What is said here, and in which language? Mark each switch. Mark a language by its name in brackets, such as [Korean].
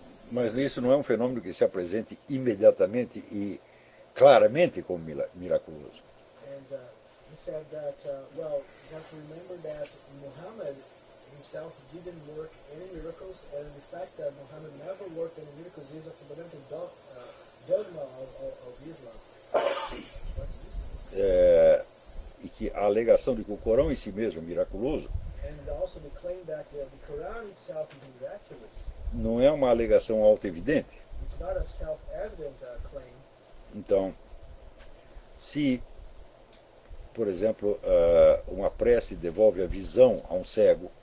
[Portuguese] Mas isso não é um fenômeno que se apresente imediatamente e claramente como miraculoso. [English] He said that, well, you have to remember that Muhammad himself didn't work any miracles, and the fact that Muhammad never worked any miracles is a fundamental dogma of Islam. [Portuguese] E que a alegação de que o Corão em si mesmo é miraculoso, [English] and also the claim that the Quran itself is miraculous, [Portuguese] não é uma alegação auto-evidente. [English] It's not a self-evident claim. [Portuguese] Então, se, por exemplo, uma prece devolve a visão a um cego,